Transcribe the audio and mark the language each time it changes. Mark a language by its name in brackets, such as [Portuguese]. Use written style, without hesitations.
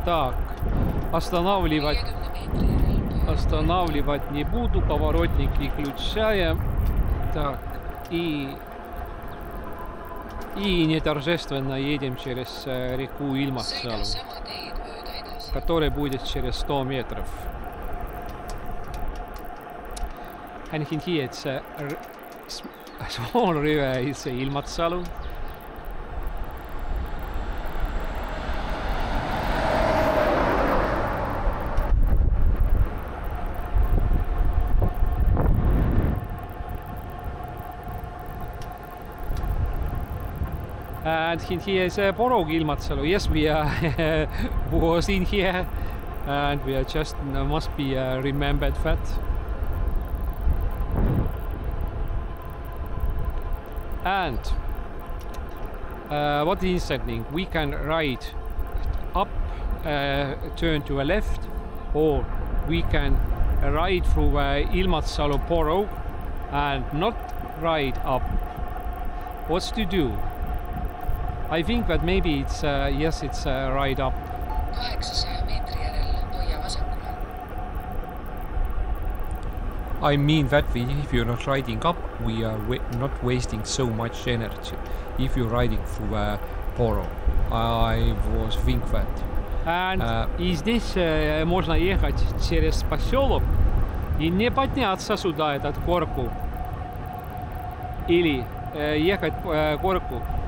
[Russian] Так, останавливать не буду, поворотники включаем. Так, и неторжественно едем через реку Ильматса, которая будет через 100 метров. [English] And in here it's a small river, it's Ilmatsalu. And in here is a Borog Ilmatsalu. Yes, we are was in here and we are just must be remembered that. And what is happening? We can ride up, turn to a left, or we can ride through Ilmatsalu Borog and not ride up. What's to do? I think that maybe it's yes, it's right up. [Estonian] 800 meter järel põhja vasakule. [English] I mean that we, if you're not riding up, we are not wasting so much energy. If you're riding through Poro, I was think that. And is this [Russian] можно ехать через поселок и не подняться сюда этот горку или ехать горку?